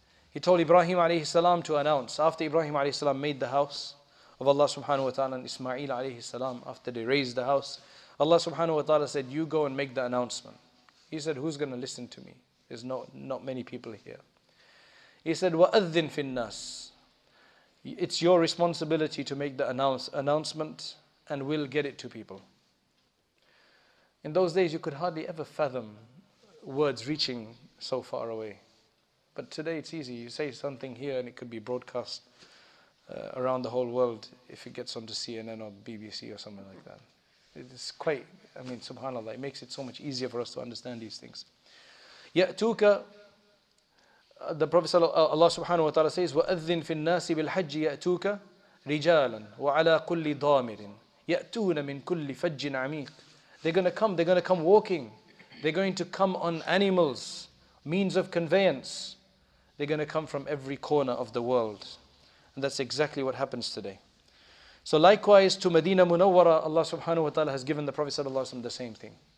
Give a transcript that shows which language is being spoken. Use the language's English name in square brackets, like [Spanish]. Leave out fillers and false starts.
[English] He told Ibrahim alayhi salam to announce, after Ibrahim alayhi salam made the house of Allah subhanahu wa ta'ala and Ismail alayhi salam, after they raised the house, Allah subhanahu wa ta'ala said, you go and make the announcement. He said, who's going to listen to me? There's not many people here. He said, [Arabic] وَأَذِّنْ فِي النَّاسِ. [English] It's your responsibility to make the announcement and we'll get it to people. In those days, you could hardly ever fathom words reaching so far away. But today it's easy. You say something here and it could be broadcast around the whole world if it gets onto CNN or BBC or something like that. It's quite, I mean, subhanAllah, it makes it so much easier for us to understand these things. Ya'tuka. The Prophet Allah subhanahu wa ta'ala says, [Arabic] وَأَذِّنْ فِي النَّاسِ بِالْحَجِّ يَأْتُوكَ رِجَالًا وَعَلَىٰ كُلِّ ضَامِرٍ يَأْتُونَ مِنْ كُلِّ فَجٍّ عَمِيقٍ. [English] They're going to come, they're going to come walking. They're going to come on animals, means of conveyance. They're going to come from every corner of the world. And that's exactly what happens today. So likewise to Medina Munawwara, Allah subhanahu wa ta'ala has given the Prophet sallallahu alayhi wa sallam the same thing.